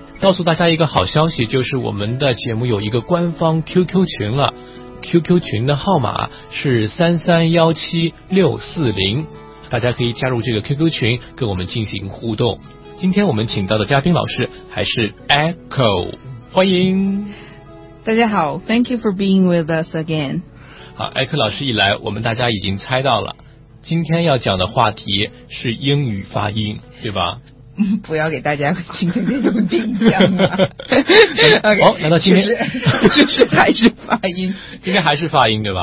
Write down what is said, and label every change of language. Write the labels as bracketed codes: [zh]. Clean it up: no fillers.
[zh] 告诉大家一个好消息，就是我们的节目有一个官方 QQ 群了， QQ 群的号码是3317640，大家可以加入这个 QQ 群跟我们进行互动。今天我们请到的嘉宾老师还是 Echo， 欢迎。大家好， [en] Thank you for being with us again。 [zh] 好， Echo 老师一来，我们大家已经猜到了今天要讲的话题是英语发音，对吧？不要给大家形成这种定向了。okay, 哦，难道今天就是还是发音？今天还是发音，对吧？